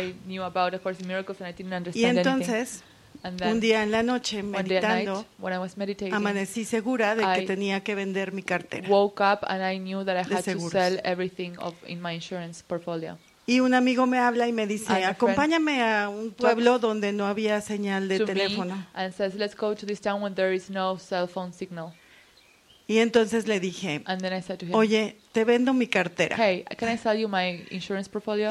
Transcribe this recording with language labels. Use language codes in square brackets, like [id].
[en] I knew about the course in miracles and I didn't understand [es] y entonces, [en] anything. [es] Then, un día en la noche meditando, [en] night, when I was meditating, [es] amanecí segura de que tenía que vender mi cartera. [en] Woke up and I knew that I had to sell everything of in my insurance portfolio. [es] Y un amigo me habla y me dice, [en] and [es] acompáñame a un pueblo donde no había señal de teléfono. [en] And says, let's go to this town when there is no cell phone signal. [es] Y entonces le dije, [en] and then I said to him, [es] oye, te vendo mi cartera. [en] Hey, can I sell you my insurance portfolio?